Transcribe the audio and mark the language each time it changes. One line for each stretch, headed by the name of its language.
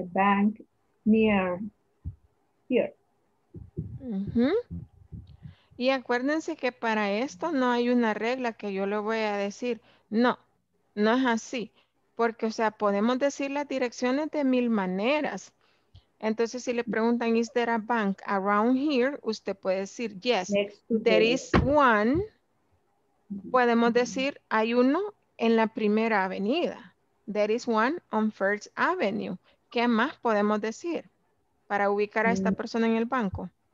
English: a bank near here.
Spanish: Uh-huh. Y acuérdense que para esto no hay una regla que yo le voy a decir. No, no es así. Porque, o sea, podemos decir las direcciones de mil maneras. Entonces, si le preguntan,
English: is there a bank around here?
Spanish: Usted puede decir,
English: yes, there is one.
Spanish: Podemos decir, hay uno en la primera avenida.
English: There is one on First Avenue.
Spanish: ¿Qué más podemos decir para ubicar a esta persona en el banco?